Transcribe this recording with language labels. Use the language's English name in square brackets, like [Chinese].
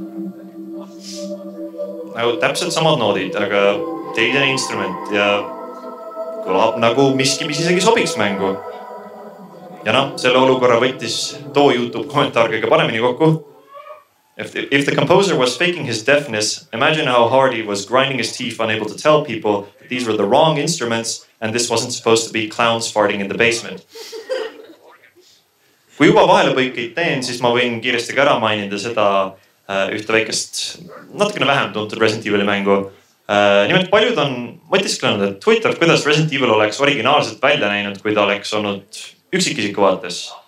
[Estonian] Nagu täpselt samad noodid, aga teine instrument ja kõlab nagu miski, mis isegi sobiks mängu. Ja selle olukorra võttis too YouTube kommentaar kõige paremini kokku. [English] If the composer was faking his deafness, imagine how hard he was grinding his teeth unable to tell people that these were the wrong instruments and this wasn't supposed to be clowns farting in the basement. [Estonian] Kui juba vahele põikeid teen, siis ma võin kiiresti ära mainida seda ühte väikest, natukene vähem tuntud Resident Evil mängu. Nimelt paljud on mõtisklenud, et huvitav, kuidas Resident Evil oleks originaalselt välja näinud, kui ta oleks olnud üksikisiku vaates.